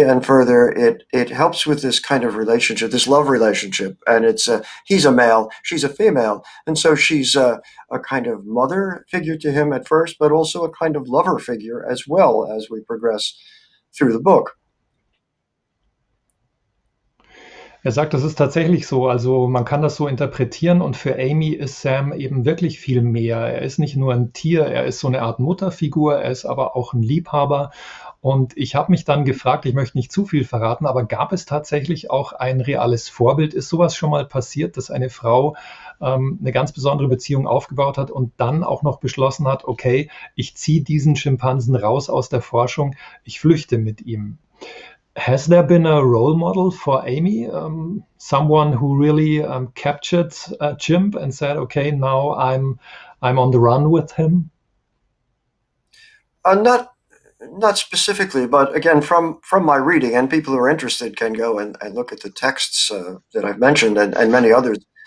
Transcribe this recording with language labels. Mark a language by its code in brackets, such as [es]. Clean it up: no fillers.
[en] And further, it helps with this kind of relationship, this love relationship. And it's he's a male, she's a female. And so she's a kind of mother figure to him at first, but also a kind of lover figure as well as we progress through the book. [de] Er sagt, das ist tatsächlich so. Also man kann das so interpretieren und für Amy ist Sam eben wirklich viel mehr. Er ist nicht nur ein Tier, er ist so eine Art Mutterfigur, er ist aber auch ein Liebhaber. Und ich habe mich dann gefragt, ich möchte nicht zu viel verraten, aber gab es tatsächlich auch ein reales Vorbild? Ist sowas schon mal passiert, dass eine Frau eine ganz besondere Beziehung aufgebaut hat und dann auch noch beschlossen hat, okay, ich ziehe diesen Schimpansen raus aus der Forschung, ich flüchte mit ihm? [en] Has there been a role model for Amy? Someone who really captured a chimp and said, okay, now I'm on the run with him? Not specifically, but again, from my reading, and people who are interested can go and look at the texts that I've mentioned and many others.